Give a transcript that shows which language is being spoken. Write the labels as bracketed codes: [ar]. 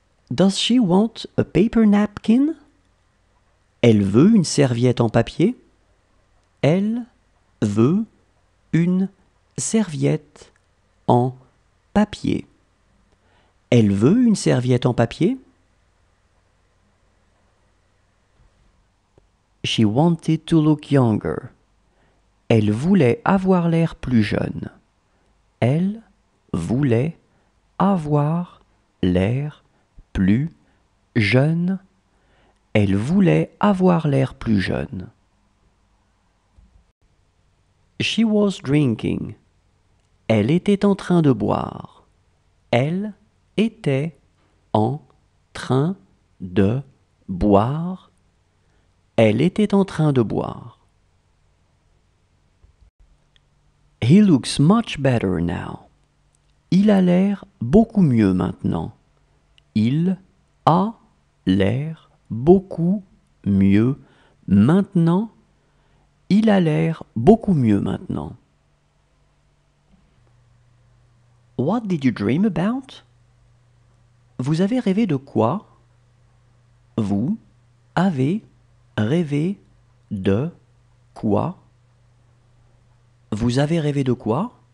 [en] Does she want a paper napkin? [fr] Elle veut une serviette en papier? Elle veut une serviette en papier. Elle veut une serviette en papier? [en] She wanted to look younger. [fr] Elle voulait avoir l'air plus jeune. Elle voulait avoir l'air plus jeune. Elle voulait avoir l'air plus jeune. [en] She was drinking. [fr] Elle était en train de boire. Elle était en train de boire. Elle était en train de boire. [en] He looks much better now. [fr] Il a l'air beaucoup mieux maintenant. Il a l'air beaucoup mieux maintenant. Il a l'air beaucoup mieux maintenant. [en] What did you dream about? [fr] Vous avez rêvé de quoi? Vous avez rêvé de quoi? Vous avez rêvé de quoi?